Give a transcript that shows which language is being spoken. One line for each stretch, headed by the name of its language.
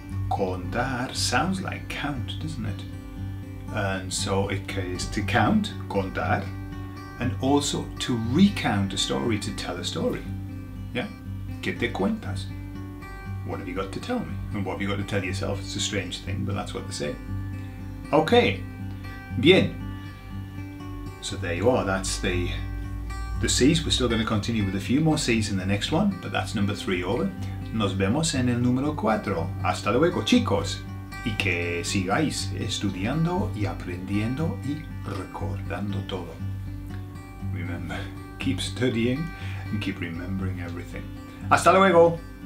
English: Contar sounds like count, doesn't it? And so it is to count, contar, and also to recount a story, to tell a story. Yeah?
Spanish: ¿Qué te cuentas?
English: What have you got to tell me? And what have you got to tell yourself? It's a strange thing, but that's what they say. Okay. Bien. So there you are. That's the C's. We're still going to continue with a few more C's in the next one, but that's number three over.
Spanish: Nos vemos en el número cuatro. Hasta luego, chicos. Y que sigáis estudiando y aprendiendo y recordando todo.
English: Remember, keep studying and keep remembering everything.
Spanish: Hasta luego.